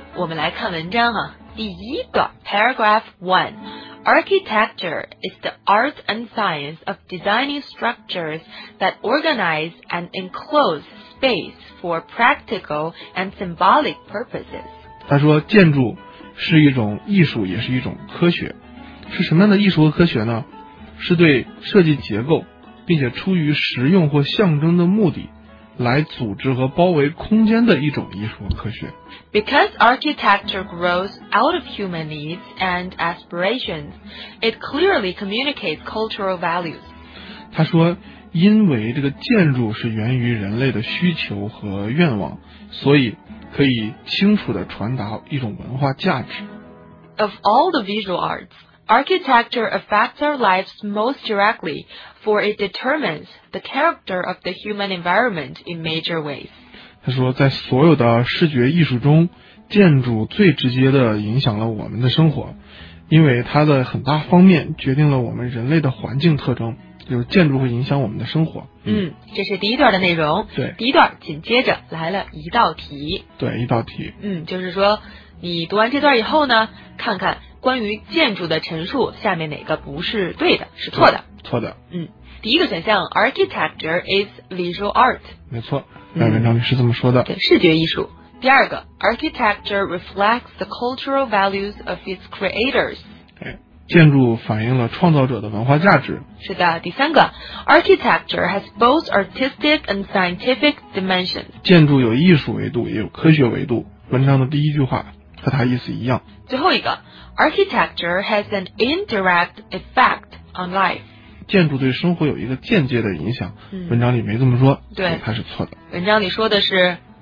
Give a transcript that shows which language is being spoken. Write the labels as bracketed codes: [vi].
[zh] 我们来看文章啊，第一段 [en] paragraph 1， architecture is the art and science of designing structures that organize and enclose space for practical and symbolic purposes。 [zh] 他说建筑是一种艺术也是一种科学，是什么样的艺术和科学呢？是对设计结构并且出于实用或象征的目的来组织和包围空间的一种艺术和科学。 [en] Because architecture grows out of human needs and aspirations, it clearly communicates cultural values. [zh] 他说因为这个建筑是源于人类的需求和愿望，所以可以清楚地传达一种文化价值。 [en] Of all the visual arts,Architecture affects our lives most directly, for it determines the character of the human environment in major ways. [zh] 他说在所有的视觉艺术中，建筑最直接地影响了我们的生活，因为它的很大方面决定了我们人类的环境特征，就是建筑会影响我们的生活。这是第一段的内容。对，第一段紧接着来了一道题。对，一道题。就是说你读完这段以后呢，看看关于建筑的陈述下面哪个不是对的，是错的。错的。第一个选项 [en] architecture is visual art， [zh] 没错，那文章里是这么说的。对，视觉艺术。第二个 [en] architecture reflects the cultural values of its creators， [zh] 建筑反映了创造者的文化价值。是的。第三个 [en] architecture has both artistic and scientific dimensions， [zh] 建筑有艺术维度也有科学维度，文章的第一句话和它意思一样。最后一个 [en] architecture has an indirect effect on life， [zh] 建筑对生活有一个间接的影响。文章里没这么说。对，它是错的。文章里说的是